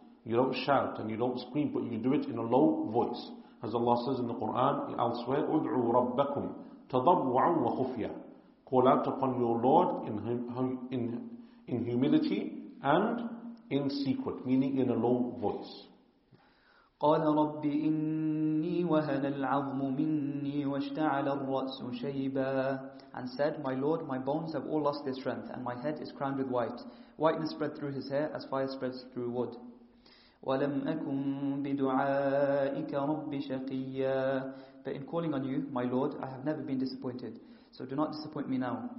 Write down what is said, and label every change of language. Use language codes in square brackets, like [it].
[en] You don't shout and you don't scream, but you do it in a low voice. As Allah says in the Quran elsewhere, [ar] Ud'u Rabbakum tadabbu'an wa khufya. [en] Call out upon your Lord in humility and in secret, meaning in a low voice. [ar] قال ربي إني وهن العظم مني واشتعل الرأس شيبا. [en] And said, my Lord, my bones have all lost their strength, and my head is crowned with white. Whiteness spread through his hair as fire spreads through wood. [ar] ولم أكن بدعائك رب شقيا. [en] But in calling on you, my Lord, I have never been disappointed. So do not disappoint me now.